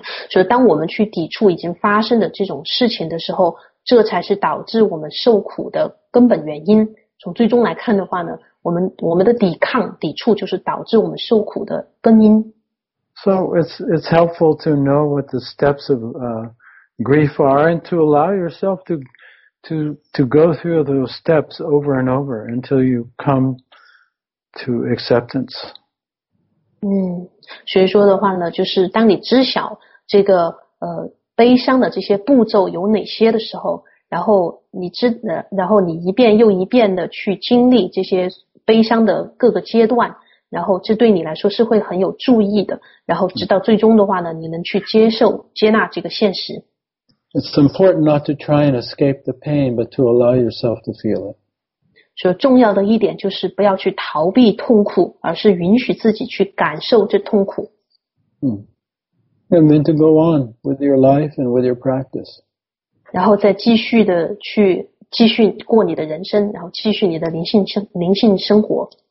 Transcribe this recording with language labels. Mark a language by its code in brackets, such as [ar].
[zh] 所以当我们去抵触已经发生的这种事情的时候，这才是导致我们受苦的根本原因。从最终来看的话呢，我们的抵抗抵触就是导致我们受苦的根因。 [en] So it's helpful to know what the steps of grief are and to allow yourself to go through those steps over and over until you come to acceptance. [zh] 所以说的话呢，就是当你知晓这个悲伤的这些步骤有哪些的时候，然后你知然后你一遍又一遍的去经历这些悲伤的各个阶段，然后这对你来说是会很有注意的，然后直到最终的话呢，你能去接受接纳这个现实。 [en] It's important not to try and escape the pain, but to allow yourself to feel it. [zh] 所以重要的一点就是不要去逃避痛苦，而是允许自己去感受这痛苦。 [en] And then to go on with your life and with your practice. [zh] 然后再继续的去继续过你的人生，然后继续你的灵性生活。